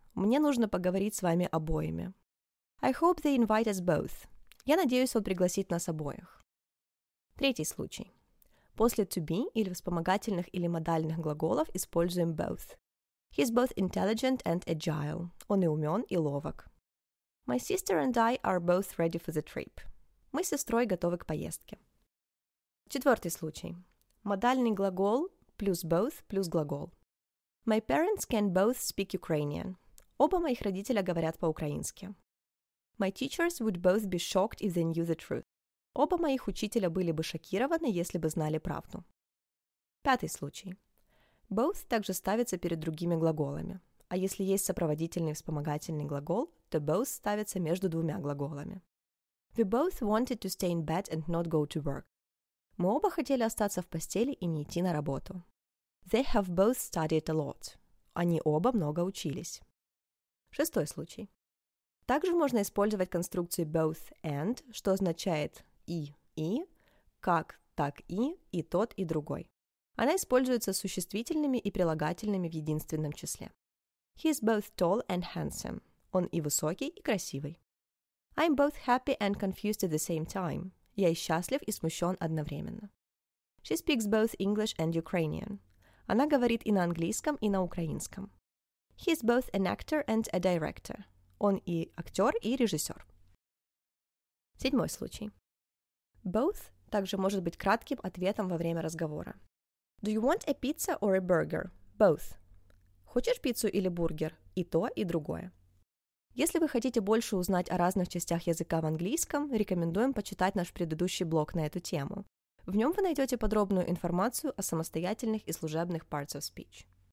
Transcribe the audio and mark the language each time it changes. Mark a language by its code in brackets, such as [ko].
[ru] Мне нужно поговорить с вами обоими. [en] I hope they invite us both. [ru] Я надеюсь, он пригласит нас обоих. Третий случай. После to be или вспомогательных или модальных глаголов используем both. [en] He's both intelligent and agile. [ru] Он и умен, и ловок. [en] My sister and I are both ready for the trip. [ru] Мы с сестрой готовы к поездке. Четвертый случай. Модальный глагол плюс both плюс глагол. [en] My parents can both speak Ukrainian. [ru] Оба моих родителя говорят по-украински. [en] My teachers would both be shocked if they knew the truth. [ru] Оба моих учителя были бы шокированы, если бы знали правду. Пятый случай. Both также ставится перед другими глаголами. А если есть сопроводительный вспомогательный глагол, то both ставится между двумя глаголами. [en] We both wanted to stay in bed and not go to work. [ru] Мы оба хотели остаться в постели и не идти на работу. [en] They have both studied a lot. [ru] Они оба много учились. Шестой случай. Также можно использовать конструкцию both and, что означает и, как, так и тот, и другой. Она используется с существительными и прилагательными в единственном числе. [en] He is both tall and handsome. [ru] Он и высокий, и красивый. [en] I'm both happy and confused at the same time. [ru] Я и счастлив, и смущен одновременно. [en] She speaks both English and Ukrainian. [ru] Она говорит и на английском, и на украинском. [en] He is both an actor and a director. [ru] Он и актер, и режиссер. Седьмой случай. Both также может быть кратким ответом во время разговора. [en] Do you want a pizza or a burger? Both. [ru] Хочешь пиццу или бургер? И то, и другое. Если вы хотите больше узнать о разных частях языка в английском, рекомендуем почитать наш предыдущий блог на эту тему. В нем вы найдете подробную информацию о самостоятельных и служебных [en] parts of speech.